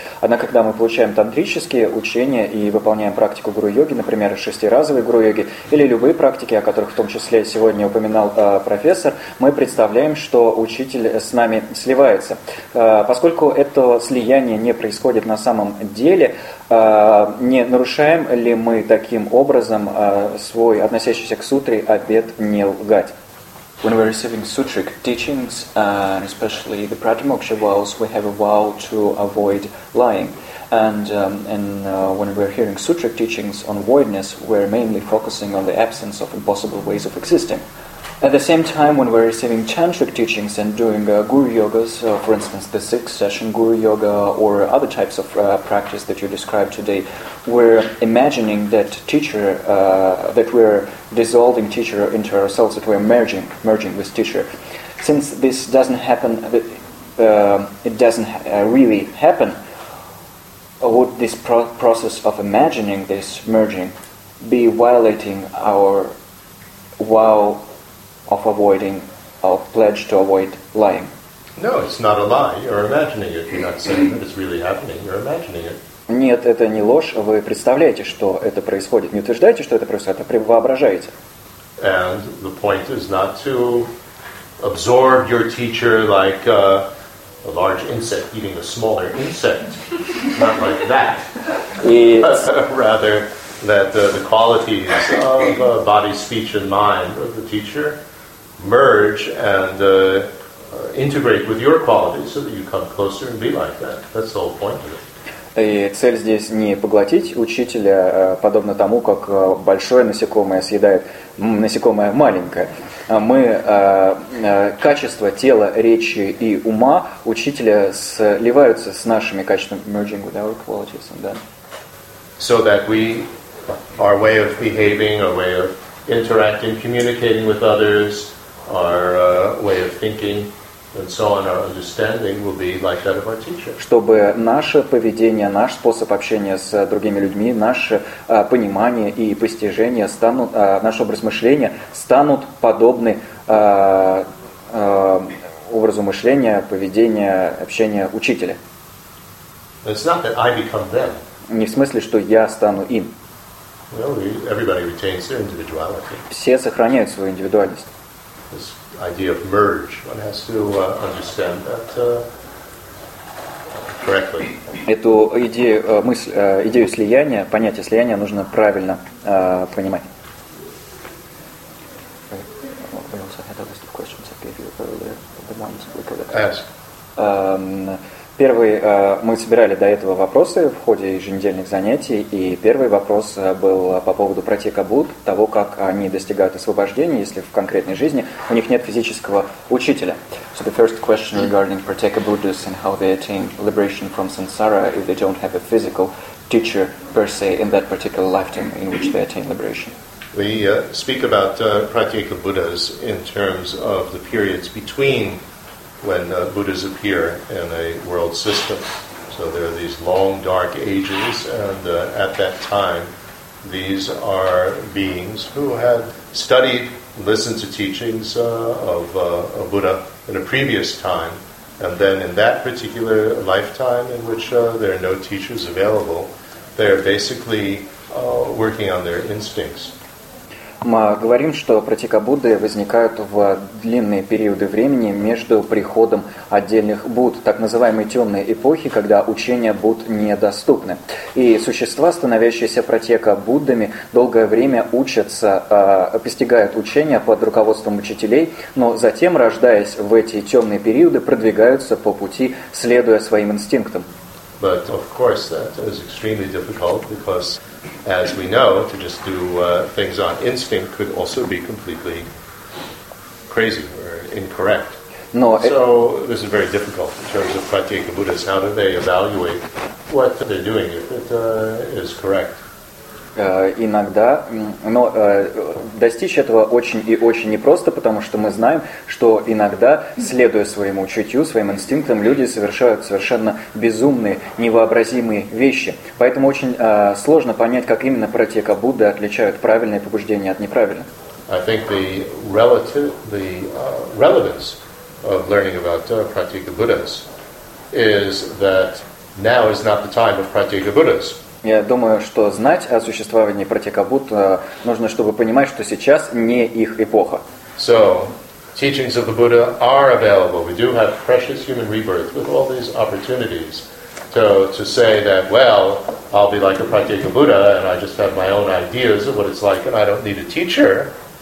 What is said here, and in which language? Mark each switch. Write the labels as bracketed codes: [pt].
[ru] Однако, когда мы получаем тантрические учения и выполняем практику гуру-йоги, например, шестиразовые гуру-йоги, или любые практики, о которых в том числе сегодня упоминал профессор, мы представляем, что учитель с нами сливается. Поскольку это слияние не происходит на самом деле, не нарушаем ли мы таким образом свой относящийся к сутре обет не лгать? [en] When we're receiving sutric teachings, and especially the pratimoksha vows, we have a vow to avoid lying. And when we're hearing sutric teachings on voidness, we're mainly focusing on the absence of impossible ways of existing. At the same time, when we're receiving tantric teachings and doing guru yogas, so for instance, the six-session guru yoga or other types of practice that you described today, we're imagining that teacher, that we're dissolving teacher into ourselves, that we're merging with teacher. Since this doesn't happen, really happen, would this process of imagining this merging be violating our vow of avoiding, of pledge to avoid lying? No, it's not a lie. You're imagining it. You're not saying that it's really happening. You're imagining it. [ru] Нет, это не ложь. Вы представляете, что это происходит. Не утверждаете, что это происходит, а воображаете. [en] And the point is not to absorb your teacher like a large insect eating a smaller insect. Not like that. Rather, that the qualities of body, speech, and mind of the teacher merge and integrate with your qualities so that you come closer and be like that. That's the whole point of it. [ru] И цель здесь не поглотить учителя, подобно тому, как большое насекомое съедает насекомое маленькое. Мы качество тела, речи и ума учителя сливаются с нашими качествами, [en] merging with our qualities, and then. So that we, our way of behaving, our way of interacting, communicating with others, our way of thinking, and so on, our understanding will be like that of our teacher. [ru] Чтобы наше поведение, наш способ общения с другими людьми, наше понимание и постижение станут, наш образ мышления станут подобны образу мышления, поведения, общения учителя. [en] It's not that I become them. [ru] Не в смысле, что я стану им. [en] Well, everybody retains their individuality. [ru] Все сохраняют свою индивидуальность. [en] This idea of merge, one has to understand that correctly. [ru] Эту идею, мысль, идею слияния, понятие слияния нужно правильно понимать. [en] We also had a list of questions I gave you earlier, the ones we could ask. [ru] Первый, мы собирали до этого вопросы в ходе еженедельных занятий, и первый вопрос был по поводу пратика Будд, того, как они достигают освобождения, если в конкретной жизни у них нет физического учителя. [en] So the first question regarding pratika Buddhas and how they attain liberation from samsara if they don't have a physical teacher per se in that particular lifetime in which they attain liberation. We speak about pratika Buddhas in terms of the periods between when Buddhas appear in a world system. So there are these long dark ages, and at that time, these are beings who had studied, listened to teachings of a Buddha in a previous time, and then in that particular lifetime in which there are no teachers available, they are basically working on their instincts. [ru] Мы говорим, что пратика Будды возникают в длинные периоды времени между приходом отдельных Будд, так называемые темные эпохи, когда учения Будд недоступны. И существа, становящиеся пратика Буддами, долгое время учатся, постигают учения под руководством учителей, но затем, рождаясь в эти темные периоды, продвигаются по пути, следуя своим инстинктам. [en] But of course that is extremely difficult because, as we know, to just do things on instinct could also be completely crazy or incorrect. No, so this is very difficult in terms of pratika Buddhas. How do they evaluate what they're doing if it is correct? [ru] иногда, но достичь этого очень и очень непросто, потому что мы знаем, что иногда, следуя своему чутью, своим инстинктам, люди совершают совершенно безумные, невообразимые вещи. Поэтому очень сложно понять, как именно пратека Будды отличают правильные побуждения от неправильных. [en] I think the relevance of learning about pratika Buddhas is that now is not the time of pratika Buddhas. [ru] Я думаю, что знать о существовании пратика Будд нужно, чтобы понимать, что сейчас не их эпоха. [en] So, teachings of the Buddha are available. We do have precious human rebirth with all these opportunities to say that, well, I'll be like a pratika Buddha and I just have my own ideas of what it's like and I don't need a teacher.